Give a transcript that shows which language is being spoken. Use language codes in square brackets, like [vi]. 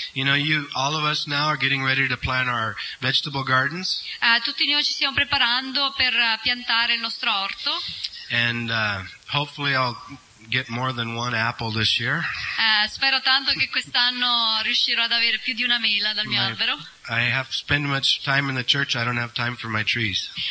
[en] You know, all of us now are getting ready to plant our vegetable gardens. [it] Tutti noi ci stiamo preparando per piantare il nostro orto. [en] And hopefully I'll get more than one apple this year. [it] Spero tanto che quest'anno riuscirò ad avere più di una mela dal mio albero. [en] I have spent much time in the church. I don't have time for my trees.